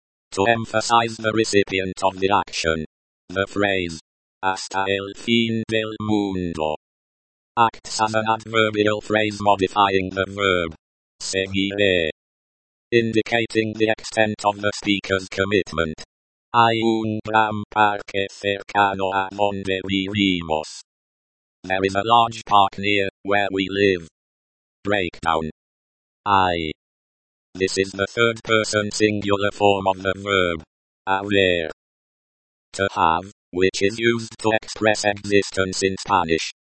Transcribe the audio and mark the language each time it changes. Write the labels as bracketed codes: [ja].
[en] to emphasize the recipient of the action. The phrase, [es] hasta el fin del mundo, [en] acts as an adverbial phrase modifying the verb, [es] seguiré, [en] indicating the extent of the speaker's commitment. [es] Hay un gran parque cercano a donde vivimos. [en] There is a large park near where we live. Breakdown. I. This is the third person singular form of the verb. [es] Haber. [en] To have, which is used to express existence in Spanish.